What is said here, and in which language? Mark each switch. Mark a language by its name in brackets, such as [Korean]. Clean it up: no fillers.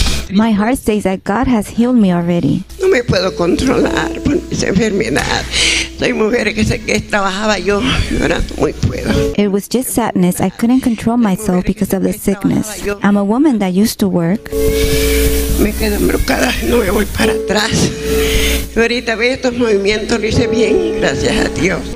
[English] My heart says that God has healed me already. [Spanish] No me puedo controlar por esa enfermedad. Soy mujer que trabajaba yo, ahora no me puedo. [English] It was just sadness. I couldn't control myself because of the sickness. I'm a woman that used to work. [Spanish] Me quedo embrocada, no me voy para atrás. Ahorita ve estos movimientos, lo hice bien, gracias a Dios.